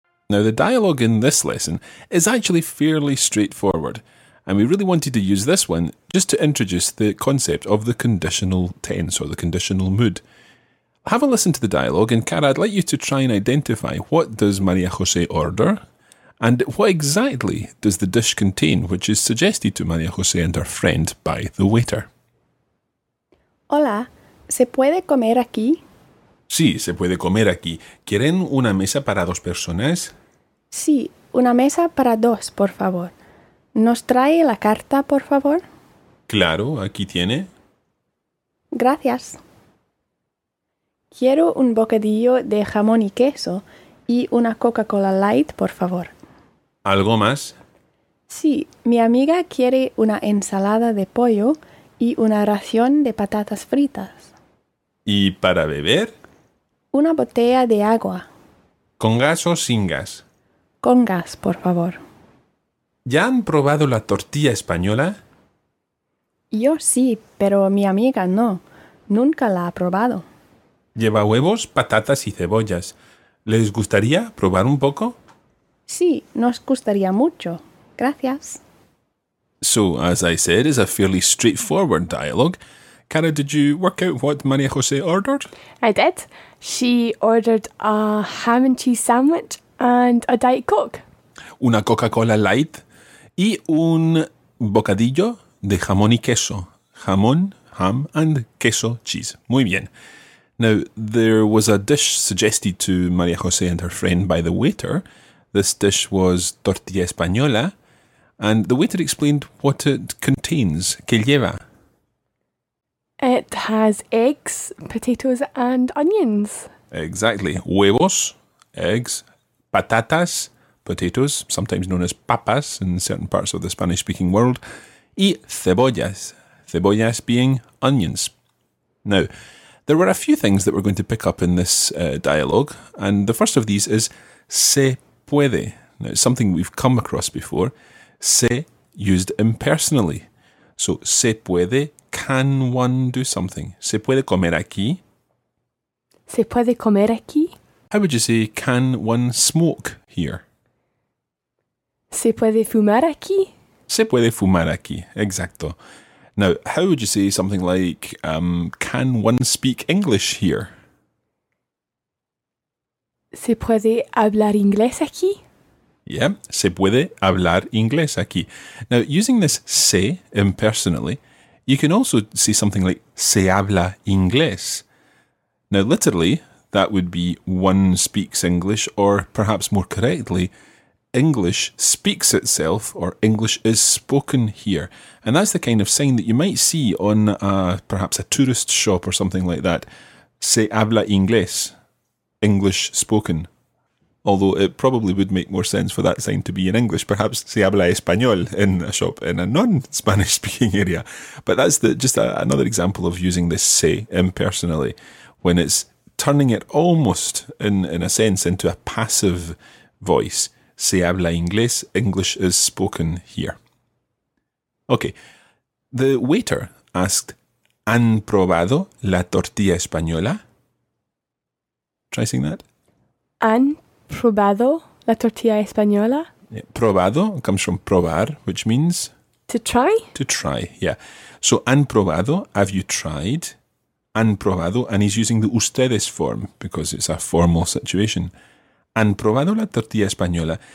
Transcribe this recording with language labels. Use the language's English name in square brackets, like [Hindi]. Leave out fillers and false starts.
[English] Now, the dialogue in this lesson is actually fairly straightforward, and we really wanted to use this one just to introduce the concept of the conditional tense or the conditional mood. Have a listen to the dialogue, and Cara, I'd like you to try and identify what does María José order and what exactly does the dish contain, which is suggested to María José and her friend by the waiter. [Spanish] Hola, ¿se puede comer aquí? Sí, se puede comer aquí. ¿Quieren una mesa para dos personas? Sí, una mesa para dos, por favor. ¿Nos trae la carta, por favor? Claro, aquí tiene. Gracias. Quiero un bocadillo de jamón y queso y una Coca-Cola Light, por favor. ¿Algo más? Sí, mi amiga quiere una ensalada de pollo y una ración de patatas fritas. ¿Y para beber? Una botella de agua. ¿Con gas o sin gas? Con gas, por favor. ¿Ya han probado la tortilla española? Yo sí, pero mi amiga no. Nunca la ha probado. Lleva huevos, patatas y cebollas. ¿Les gustaría probar un poco? Sí, nos gustaría mucho. Gracias. [English] So, as I said, it's a fairly straightforward dialogue. Cara, did you work out what María José ordered? I did. She ordered a ham and cheese sandwich and a Diet Coke. [Spanish] Una Coca-Cola Light y un bocadillo de jamón y queso. Jamón, ham, and queso, cheese. Muy bien. [English] Now, there was a dish suggested to María José and her friend by the waiter. This dish was tortilla española, and the waiter explained what it contains. [Spanish] ¿Qué lleva? [English] It has eggs, potatoes, and onions. Exactly. Huevos, eggs, patatas, potatoes, sometimes known as papas in certain parts of the Spanish-speaking world, y cebollas, cebollas being onions. Now, there were a few things that we're going to pick up in this dialogue, and the first of these is se puede. Now, it's something we've come across before. Se, used impersonally. So, se puede, can one do something? [Spanish] Se puede comer aquí? Se puede comer aquí? [English] How would you say, can one smoke here? [Spanish] ¿Se puede fumar aquí? Se puede fumar aquí, exacto. [English] Now, how would you say something like, can one speak English here? [Spanish] ¿Se puede hablar inglés aquí? Yeah, se puede hablar inglés aquí. [English] Now, using this se impersonally, you can also say something like, se habla inglés. Now, literally, that would be one speaks English, or perhaps more correctly, English speaks itself, or English is spoken here. And that's the kind of sign that you might see on perhaps a tourist shop or something like that. [Spanish] Se habla inglés, [English] English spoken. Although it probably would make more sense for that sign to be in English. Perhaps [Spanish] se habla español [English] in a shop in a non-Spanish speaking area. But that's another example of using this se impersonally, when it's turning it almost, in a sense, into a passive voice. [Spanish] Se habla inglés, [English] English is spoken here. Okay, the waiter asked, [Spanish] ¿Han probado la tortilla española? [English] Try saying that. [Spanish] ¿Han probado la tortilla española? [English] Yeah, probado comes from probar, which means? To try. To try, yeah. So, [Spanish] ¿han probado? [English] Have you tried? [Spanish] ¿Han probado? [English] And he's using the ustedes form because it's a formal situation. [Spanish] ¿Han probado la tortilla española?